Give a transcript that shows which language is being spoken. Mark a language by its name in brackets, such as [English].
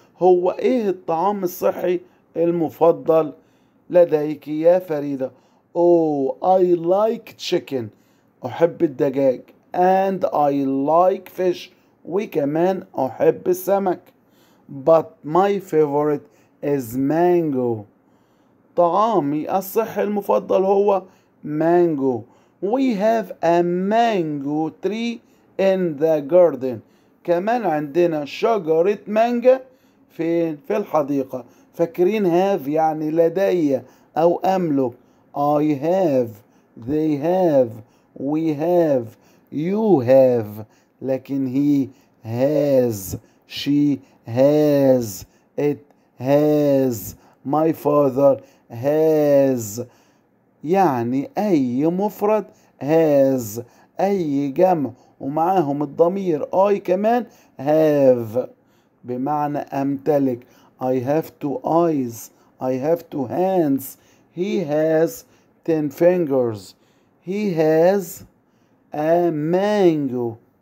[Arabic] هو ايه الطعام الصحي المفضل لديك يا فريدة؟ Oh, I like chicken. [English] أحب الدجاج. And I like fish. وكمان أحب السمك. But my favorite is mango. [Arabic] طعامي الصحي المفضل هو mango. [English] We have a mango tree in the garden. [Arabic] كمان عندنا شجرة مانجا في الحديقة. فاكرين have يعني لدي أو أملك. [English] I have, they have, we have, you have, لكن he has, she has, it has, my father has. [Arabic] يعني أي مفرد has, أي جمع ومعاهم الضمير I كمان have بمعنى أمتلك. [English] I have two eyes, I have two hands. He has 10 fingers. He has a mango.